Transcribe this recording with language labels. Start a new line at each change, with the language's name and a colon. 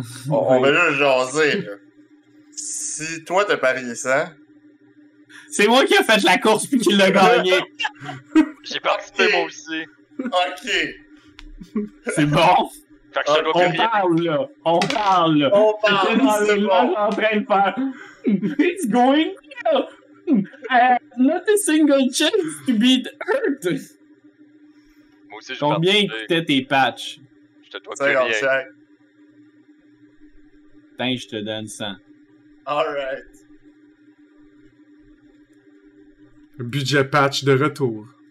French: On va juste jaser, là. Si toi, t'as parié ça... C'est moi qui ai fait la course puis qui l'a gagné. J'ai participé, moi aussi. OK. C'est bon. Fait que on parle, là. On parle, là. On parle, c'est bon. C'est bon. Je suis en train de faire...
English: It's going well. Not a single chance to beat Earth.
French: Moi aussi, combien coûtait tes patchs? Je te dois plus rien. Tiens, je te donne 100.
English: Alright.
French: Budget patch de retour.